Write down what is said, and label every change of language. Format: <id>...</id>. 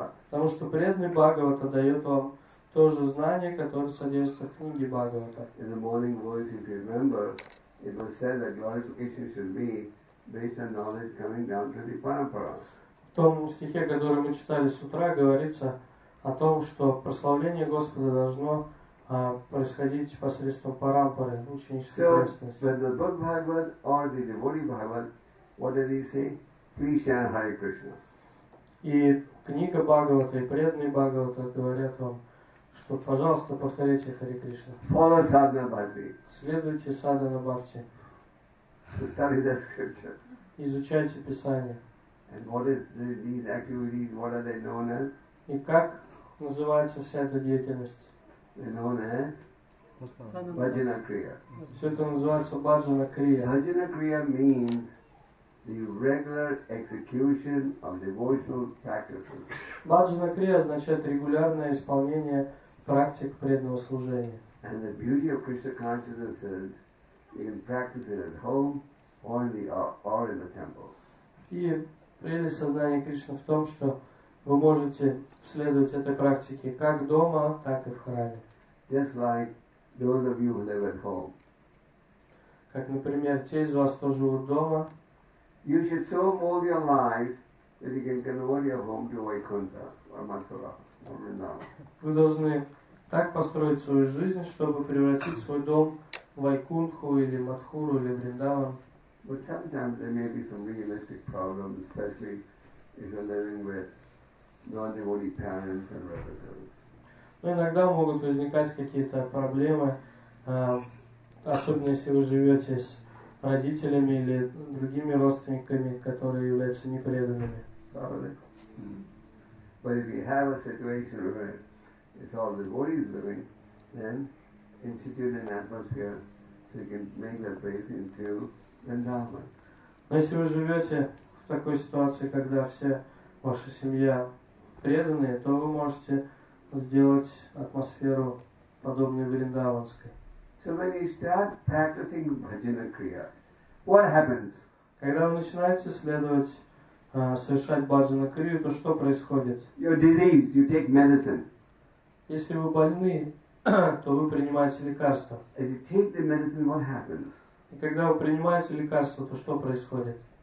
<ru>Потому что преданный Бхагавата дает вам то же знание, которое содержится в книге Бхагавата.</ru> <en>In the morning voice, if you remember, it was said that glorification should be based on knowledge coming down to the parampara.</en> <ru>В том стихе, который мы читали с утра, говорится о том, что прославление Господа должно происходить посредством парампары, ученической преданности.</ru> <en>So,</en> <ru>и книга Бхагавата, и преданный Бхагавата говорят вам, что, пожалуйста, повторите Хари Кришна.</ru> <en>Follow Sadhana Bhakti.</en> <ru>Следуйте Sadhana Bhakti.</ru> <en>So study the scripture.</en> <ru>Изучайте Писание.</ru> <en>And what is these activities, what are they known as?</en> <ru>И как называется вся эта деятельность?</ru> <en>They're known as Bhajana Kriya.</en> <ru>Все это называется Bhajana Kriya.</ru> <en>Bhajana Kriya means the regular execution of devotional practices.</en> <ru>Bhajana Kriya означает регулярное исполнение практик преданного служения.</ru> <en>And the beauty of Krishna consciousness is you can practice it at home or in the or in the temple.</en> <ru>И прелесть сознания Кришны в том, что вы можете следовать этой практике как дома, так и в храме.</ru> <en>Just like those of you who live at home.</en> <ru>Как, например, те из вас, кто живут дома.</ru> <en>You should so mold your lives that you can convert your home to Vaikuntha or Mathura or Vrindavan.</en> <ru>Вы должны так построить свою жизнь, чтобы превратить свой дом в Вайкунху или Матхуру или Вриндаван.</ru> <en>But sometimes there may be some realistic problems, especially if you're living with non-devotee parents and relatives.</en> <ru>Но иногда могут возникать какие-то проблемы, особенно если вы живете с родителями или другими родственниками, которые являются непреданными.</ru> <en>But if you have a situation where it's all the devotees living, then institute an atmosphere so you can make that place into Vrindavan.</en> <ru>Но если вы живете в такой ситуации, когда вся ваша семья преданные, то вы можете сделать атмосферу подобной Вриндаванской.</ru> <en>So when you start practicing Bhajana Kriya, what happens?</en> <ru>Когда вы начинаете следовать, совершать Bhajana Kriya, то что происходит?</ru> <en>You're diseased, you take medicine.</en> <ru>Если вы больны, то вы принимаете лекарства.</ru> <en>As you take the medicine, what happens?</en> <ru>И когда вы принимаете лекарства, то что происходит?</ru>